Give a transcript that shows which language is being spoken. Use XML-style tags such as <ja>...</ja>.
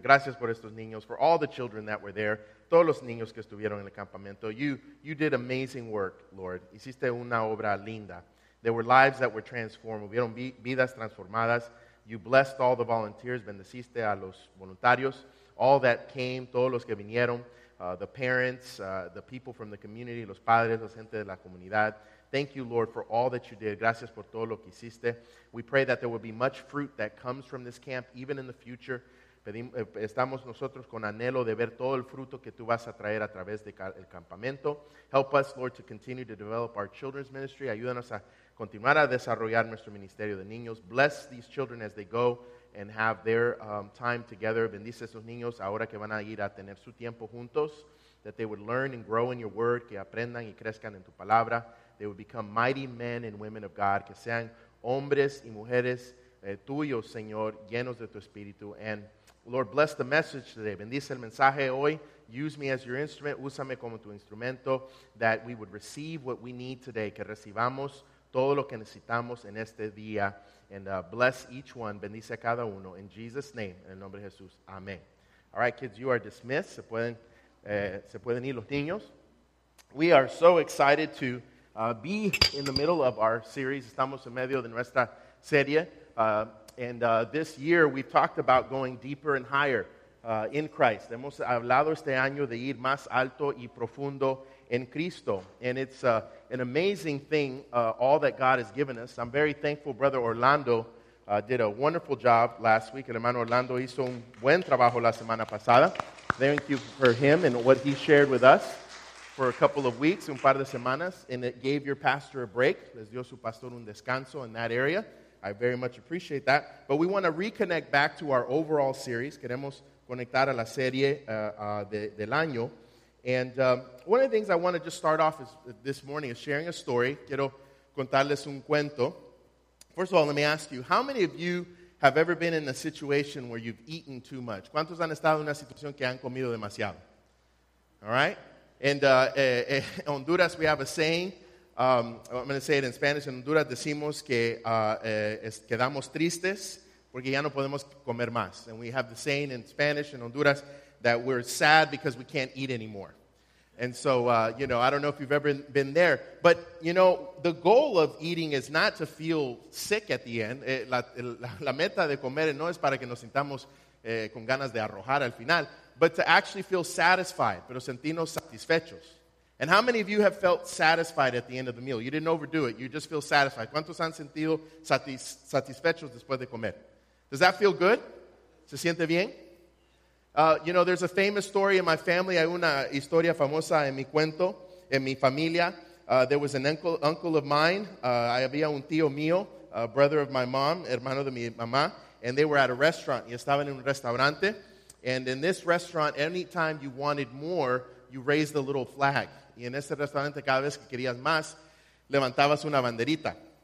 <es>Gracias por estos niños,</es> <en>for all the children that were there.</en> <es>Todos los niños que estuvieron en el campamento.</es> <en>You did amazing work, Lord.</en> <es>Hiciste una obra linda.</es> <en>There were lives that were transformed.</en> <es>Hubieron vidas transformadas.</es> <en>You blessed all the volunteers.</en> <es>Bendeciste a los voluntarios.</es> <en>All that came,</en> <es>todos los que vinieron,</es> <en>the parents, the people from the community,</en> <es>los padres, la gente de la comunidad.</es> <en>Thank you, Lord, for all that you did.</en> <es>Gracias por todo lo que hiciste.</es> <en>We pray that there will be much fruit that comes from this camp, even in the future.</en> <es>Estamos nosotros con anhelo de ver todo el fruto que tú vas a traer a través del campamento.</es> <en>Help us, Lord, to continue to develop our children's ministry.</en> <es>Ayúdanos a continuar a desarrollar nuestro ministerio de niños.</es> <en>Bless these children as they go and have their time together.</en> <es>Bendice a esos niños ahora que van a ir a tener su tiempo juntos.</es> <en>That they would learn and grow in your word.</en> <es>Que aprendan y crezcan en tu palabra.</es> <en>They would become mighty men and women of God.</en> <es>Que sean hombres y mujeres tuyos, Señor, llenos de tu espíritu.</es> <en>And Lord, bless the message today.</en> <es>Bendice el mensaje hoy.</es> <en>Use me as your instrument.</en> <es>Úsame como tu instrumento.</es> <en>That we would receive what we need today.</en> <es>Que recibamos todo lo que necesitamos en este día.</es> <en>And bless each one.</en> <es>Bendice a cada uno.</es> <en>In Jesus' name.</en> <es>En el nombre de Jesús. Amén.</es> <en>All right, kids, you are dismissed.</en> <es>Se pueden ir los niños.</es> <en>We are so excited to be in the middle of our series.</en> <es>Estamos en medio de nuestra serie.</es> <en>This year, we've talked about going deeper and higher in Christ.</en> <es>Hemos hablado este año de ir más alto y profundo en Cristo.</es> <en>And it's an amazing thing, all that God has given us. I'm very thankful Brother Orlando did a wonderful job last week.</en> <es>El hermano Orlando hizo un buen trabajo la semana pasada.</es> <en>Thank you for him and what he shared with us for a couple of weeks,</en> <es>un par de semanas.</es> <en>And it gave your pastor a break.</en> <es>Les dio su pastor un descanso</es> <en>in that area. I very much appreciate that. But we want to reconnect back to our overall series.</en> <es>Queremos conectar a la serie del año.</es> <en>And one of the things I want to just start off is, this morning is sharing a story.</en> <es>Quiero contarles un cuento.</es> <en>First of all, let me ask you, how many of you have ever been in a situation where you've eaten too much?</en> <es>¿Cuántos han estado en una situación que han comido demasiado?</es> <en>All right? And in Honduras, we have a saying. I'm going to say it in Spanish.</en> <es>En Honduras decimos que quedamos tristes porque ya no podemos comer más.</es> <en>And we have the saying in Spanish in Honduras that we're sad because we can't eat anymore. And so, you know, I don't know if you've ever been there. But, you know, the goal of eating is not to feel sick at the end.</en> <es>La meta de comer no es para que nos sintamos con ganas de arrojar al final,</es> <en>but to actually feel satisfied,</en> <es>pero sentirnos satisfechos.</es> <en>And how many of you have felt satisfied at the end of the meal? You didn't overdo it. You just feel satisfied.</en> <es>¿Cuántos han sentido satisfechos después de comer?</es> <en>Does that feel good?</en> <es>¿Se siente bien?</es> <en>You know, there's a famous story in my family.</en> <es>Hay una historia famosa en mi cuento, en mi familia.</es> <en>There was an uncle of mine.</en> <es>Había un tío mío,</es> <en>a brother of my mom,</en> <es>hermano de mi mamá.</es> <en>And they were at a restaurant.</en> <es>Y estaban en un restaurante.</es> <en>And in this restaurant, anytime you wanted more, you raise the little flag.</en> <es>Y en ese restaurante, cada vez que querías más, levantabas una banderita.</es>